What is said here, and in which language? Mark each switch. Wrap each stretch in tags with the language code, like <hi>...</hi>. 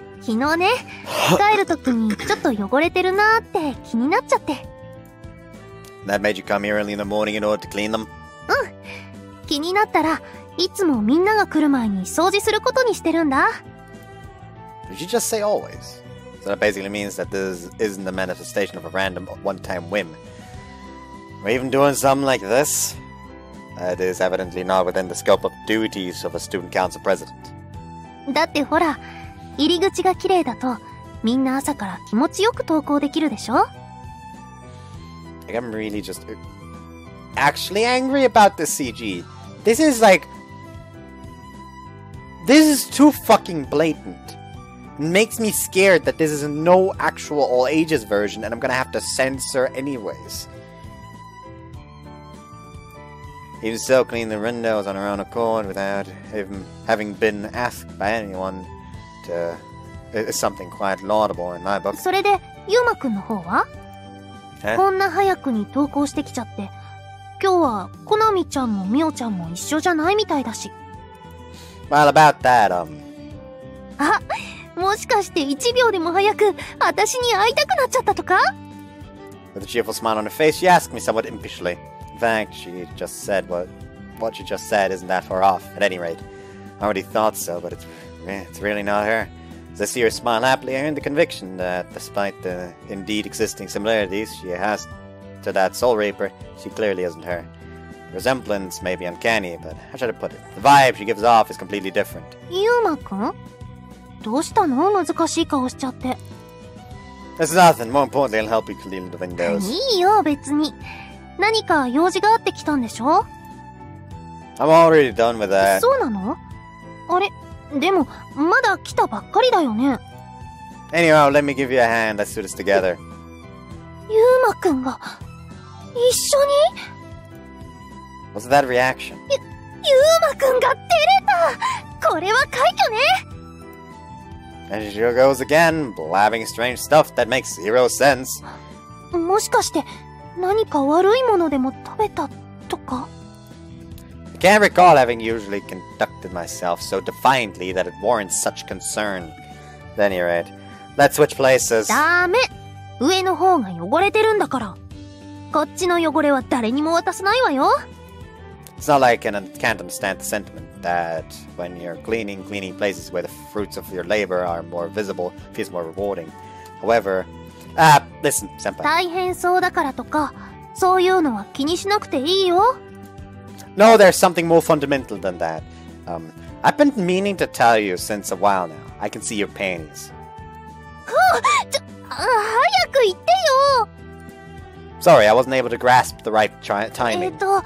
<ja>昨日ね、帰る時にちょっと汚れてるなーって気になっちゃって。</ja> <en>That made you come here early in the morning in order to clean them?</en> <ja>うん。気になったらいつもみんなが来る前に掃除することにしてるんだ。</ja> <en>Did you just say always? So that basically means that this isn't a manifestation of a random one-time whim. We're even doing something like this? That is evidently not within the scope of duties of a student council president.</en> <ja>だってほら、入り口が綺麗だと、みんな朝から気持ちよく投稿できるでしょ?</ja> <en>Like, I'm really just actually angry about this CG. This is like... This is too fucking blatant. It makes me scared that this is no actual all ages version and I'm gonna have to censor anyways. Even so, cleaning the windows on her own accord without even having been asked by anyone to... It's something quite laudable in my book.</en> <ja>それで、ユーマくんの方は?こんな早くに投稿してきちゃって、今日はコナミちゃんもミオちゃんも一緒じゃないみたいだし。</ja> <en>Well, about that,</en> <ja>あ、もしかして1秒でも早く私に会いたくなっちゃったとか?</ja> <en>With a cheerful smile on her face, she asked me somewhat impishly. In fact, she just said what she just said isn't that far off, at any rate. I already thought so, but it's really not her. As I see her smile happily, I earn the conviction that despite the indeed existing similarities she has to that soul raper, she clearly isn't her. The resemblance may be uncanny, but how should I put it? The vibe she gives off is completely different.</en> <ja>Yuma-kun? どうしたの?難しい顔しちゃって。</ja> <en>There's nothing. More importantly, I'll help you clean the windows.</en> <ja>いいよ、別に。何か用事があって来たんでしょ?</ja> <en>I'm already done with that.</en> <ja>そうなの?あれ? でも、まだ来たばっかりだよね。</ja> <en>Anyhow, let me give you a hand. Let's do this together.</en> <ja>ユーマくんが、一緒に?</ja> <en>What's that reaction?</en> <ja>ユーマくんが照れた!これは快挙ね!</ja> <en>And she goes again, blabbing strange stuff that makes zero sense.</en> <ja>もしかして、何か悪いものでも食べたとか?</ja> <en>I can't recall having usually conducted myself so defiantly that it warrants such concern. At any rate, let's switch places.</en> <ja>ダメ! 上の方が汚れてるんだから。こっちの汚れは誰にも渡さないわよ。</ja> <en>It's not like I can't understand the sentiment that when you're cleaning places where the fruits of your labor are more visible, feels more rewarding. However, listen, senpai.</en> <ja>大変そうだからとか、そういうのは気にしなくていいよ。</ja> <en>No, there's something more fundamental than that. I've been meaning to tell you since a while now. I can see your panties.</en> <ja>Oh, 早く言ってよ!</ja> <en>Sorry, I wasn't able to grasp the right timing.</en>